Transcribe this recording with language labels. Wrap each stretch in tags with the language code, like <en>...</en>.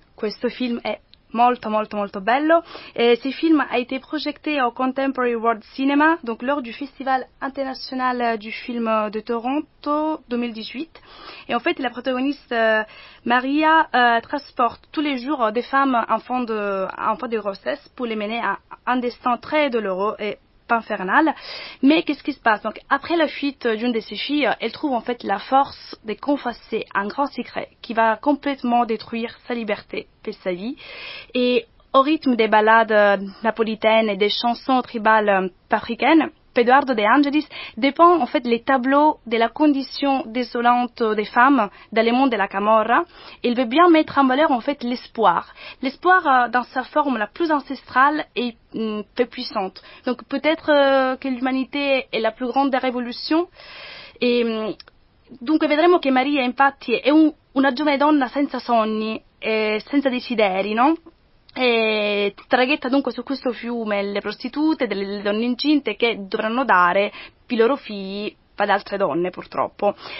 <it>Questo film è molto molto molto bello.</it> <fr>Ce film a été projeté au Contemporary World Cinema, donc lors du Festival international du film de Toronto 2018. Et en fait, la protagoniste Maria transporte tous les jours des femmes en fin de grossesse pour les mener à un destin très douloureux et pas infernal. Mais qu'est-ce qui se passe? Donc, après la fuite d'une de ses filles, elle trouve en fait la force de confesser un grand secret qui va complètement détruire sa liberté et sa vie. Et au rythme des ballades napolitaines et des chansons tribales africaines, Eduardo De Angelis dépeint en fait les tableaux de la condition désolante des femmes dans le monde de la Camorra. Il veut bien mettre en valeur en fait l'espoir. L'espoir dans sa forme la plus ancestrale et peu puissante. Donc peut-être que l'humanité est la plus grande des révolutions. Et donc</fr> <it>vedremo che Maria infatti è una giovane donna senza sogni e senza desideri, no? E traghetta dunque su questo fiume le prostitute, delle donne incinte che dovranno dare i loro figli ad altre donne, purtroppo.</it>